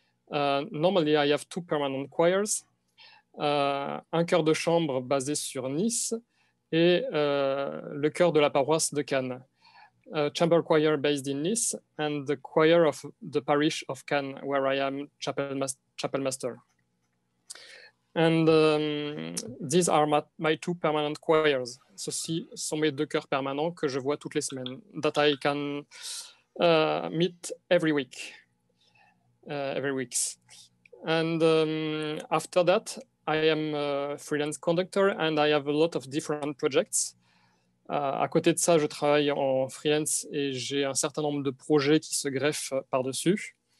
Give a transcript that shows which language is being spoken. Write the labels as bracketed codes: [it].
[en] Normally, I have two permanent choirs, [fr] un chœur de chambre basé sur Nice et le chœur de la paroisse de Cannes. [en] A chamber choir based in Nice and the choir of the parish of Cannes, where I am chapel master. And these are my two permanent choirs. [fr] Ceci sont mes deux chœurs permanents que je vois toutes les semaines, [en] that I can meet every week. Every week. And after that, I am a freelance conductor and I have a lot of different projects. [fr] À côté de ça, je travaille en freelance et j'ai un certain nombre de projets qui se greffent par-dessus.